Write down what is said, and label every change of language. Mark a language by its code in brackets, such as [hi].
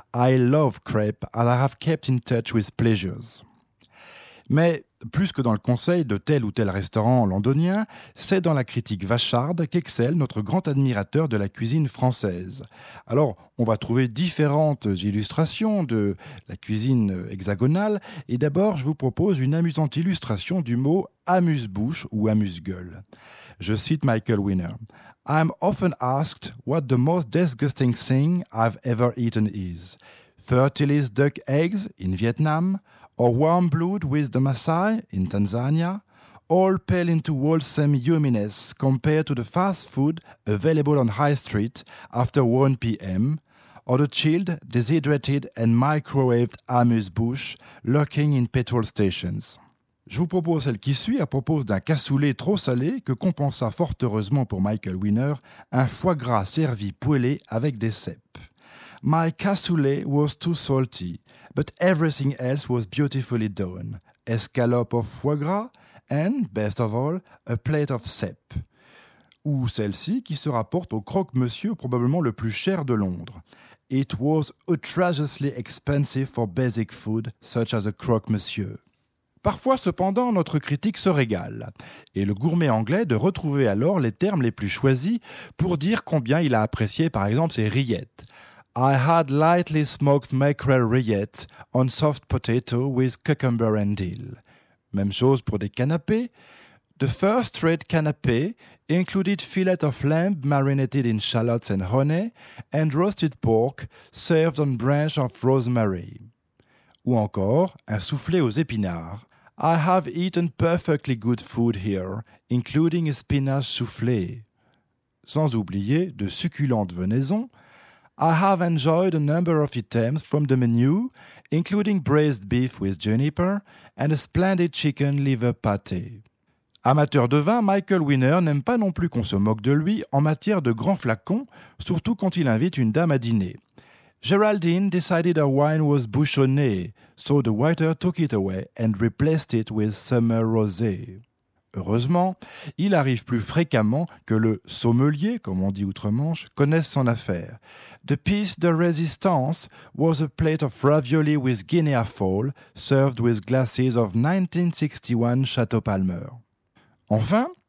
[en] I love crepe and I have kept in touch with pleasures. [fr] » Mais plus que dans le conseil de tel ou tel restaurant londonien, c'est dans la critique vacharde qu'excelle notre grand admirateur de la cuisine française. Alors, on va trouver différentes illustrations de la cuisine hexagonale. Et d'abord, je vous propose une amusante illustration du mot « amuse-bouche » ou « amuse-gueule ». Je cite Michael Winner. [en] « I'm often asked what the most disgusting thing I've ever eaten is. Fertilis duck eggs in Vietnam ?» Or warm blood with the Maasai in Tanzania, all pale into wholesome yumminess compared to the fast food available on High Street after 1 p.m, or the chilled, dehydrated and microwaved amuse-bouche lurking in petrol stations. [fr] Je vous propose celle qui suit à propos d'un cassoulet trop salé que compensa fort heureusement pour Michael Winner un foie gras servi poêlé avec des cèpes. [en] My cassoulet was too salty, but everything else was beautifully done. Escalope of foie gras and, best of all, a plate of cèpes. [fr] Ou celle-ci qui se rapporte au croque-monsieur probablement le plus cher de Londres. [en] It was outrageously expensive for basic food such as a croque-monsieur. [fr] Parfois, cependant, notre critique se régale. Et le gourmet anglais de retrouver alors les termes les plus choisis pour dire combien il a apprécié par exemple ses rillettes. [en] I had lightly smoked mackerel rillettes on soft potato with cucumber and dill. [fr] Même chose pour des canapés. [en] The first rate canapé included fillet of lamb marinated in shallots and honey and roasted pork served on branch of rosemary. [fr] Ou encore un soufflé aux épinards. [en] I have eaten perfectly good food here, including a spinach soufflé. [fr] Sans oublier de succulentes venaisons. [en] I have enjoyed a number of items from the menu, including braised beef with juniper and a splendid chicken liver pâté. [fr] Amateur de vin, Michael Winner n'aime pas non plus qu'on se moque de lui en matière de grands flacons, surtout quand il invite une dame à dîner. [en] Geraldine decided her wine was bouchonné, so the waiter took it away and replaced it with summer rosé. [fr] Heureusement, il arrive plus fréquemment que le « sommelier », comme on dit outre-Manche, connaisse son affaire. [en] « The piece de résistance was a plate of ravioli with Guinea fowl, served with glasses of 1961 Château Palmer. » Enfin,